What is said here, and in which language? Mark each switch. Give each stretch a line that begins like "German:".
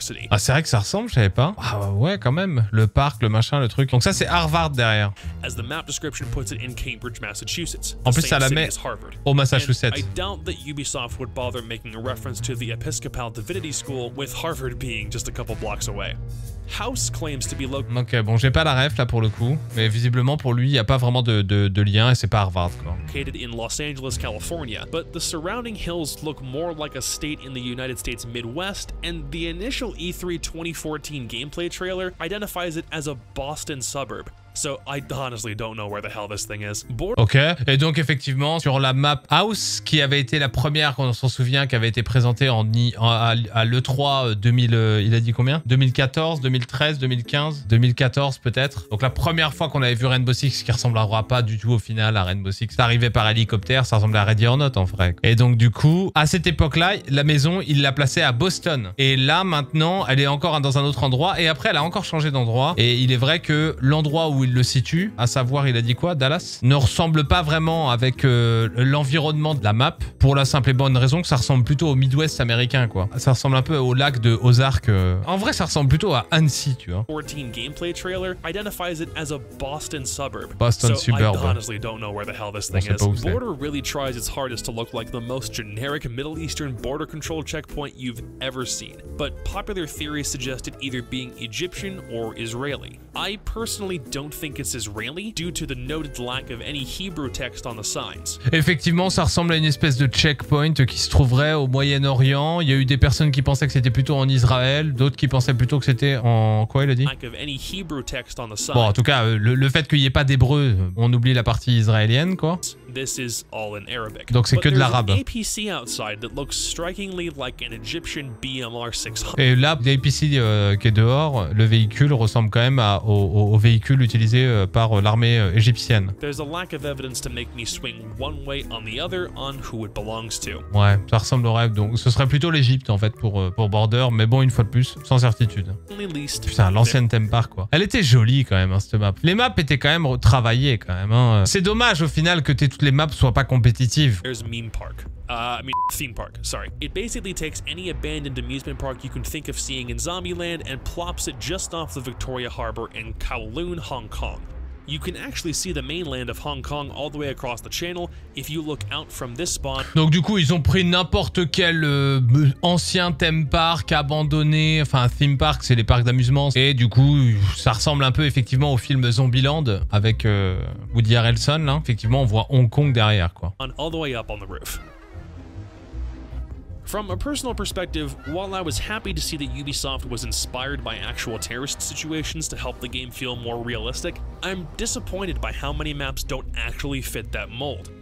French: Ah c'est vrai que ça ressemble, je savais pas. Ah ouais quand même, le parc, le machin, le truc. Donc ça c'est Harvard derrière. En plus ça la met au Massachusetts.
English: That Ubisoft would bother making a reference to the Episcopal Divinity School with Harvard being just a couple blocks away. House claims to be located.
French: Ok, bon, j'ai pas la ref là pour le coup, mais visiblement pour lui, y a pas vraiment de lien et c'est pas Harvard quoi.
English: Located in Los Angeles, California, but the surrounding hills look more like a state in the United States Midwest, and the initial E3 2014 gameplay trailer identifies it as a Boston suburb. So I honestly don't know where the hell this thing is.
French: Ok, et donc effectivement, sur la map House, qui avait été la première, qu'on s'en souvient, qui avait été présentée à l'E3 2014, 2013, 2015, 2014 peut-être. Donc la première fois qu'on avait vu Rainbow Six, qui ressemblera pas du tout au final à Rainbow Six, ça arrivait par hélicoptère, ça ressemblait à Ready or Not en vrai. Et donc du coup, à cette époque-là, la maison, il l'a placée à Boston. Et là, maintenant, elle est encore dans un autre endroit, et après, elle a encore changé d'endroit. Et il est vrai que l'endroit où il le situe, à savoir, il a dit quoi, Dallas, ne ressemble pas vraiment avec l'environnement de la map, pour la simple et bonne raison que ça ressemble plutôt au Midwest américain, quoi. Ça ressemble un peu au lac de Ozark. En vrai, ça ressemble plutôt à Annecy, tu vois.
English: 14 gameplay trailer identifies it as a Boston suburb. Boston so suburb. I honestly don't know where the hell this thing is. Border really tries its hardest to look like the most generic Middle Eastern border control checkpoint you've ever seen. But popular theories suggest it either being Egyptian or Israeli. I personally don't think it's Israeli due to the noted lack of any Hebrew text on the signs.
French: Effectivement, ça ressemble à une espèce de checkpoint qui se trouverait au Moyen-Orient. Il y a eu des personnes qui pensaient que c'était plutôt en Israël, d'autres qui pensaient plutôt que c'était en quoi, il a dit? Bon, en tout cas, le fait qu'il n'y ait pas d'hébreu, on oublie la partie israélienne, quoi.
English: This is all in Arabic.
French: Donc c'est que de l'arabe.
English: An APC outside that looks strikingly like an Egyptian BMR 600.
French: Et là, l'APC qui est dehors, le véhicule ressemble quand même au véhicule utilisé par l'armée égyptienne.
English: There's a lack of evidence to make me swing one way on the other on who it belongs to.
French: Ouais, ça ressemble au rêve. Donc ce serait plutôt l'Égypte en fait pour Border, mais bon, une fois de plus, sans certitude. Putain, l'ancienne theme park quoi. Elle était jolie quand même, hein, cette map. Les maps étaient quand même retravaillées quand même. Hein. C'est dommage au final que t'aies toutes les maps soient pas compétitives.
English: There's Meme Park. Theme park, sorry. It basically takes any abandoned amusement park you can think of seeing in Zombieland and plops it just off the Victoria Harbor in Kowloon, Hong Kong. You can actually see the mainland of Hong Kong all the way across the channel if you look out from this spot.
French: Donc du coup, ils ont pris n'importe quel ancien theme park abandonné, enfin theme park, c'est les parcs d'amusement, et du coup, ça ressemble un peu effectivement au film Zombieland avec Woody Harrelson là. Effectivement, on voit Hong Kong derrière quoi.
English: On all the way up on the roof. From a personal perspective, while I was happy to see that Ubisoft was inspired by actual terrorist situations to help the game feel more realistic, I'm disappointed by how many maps don't actually fit that mold.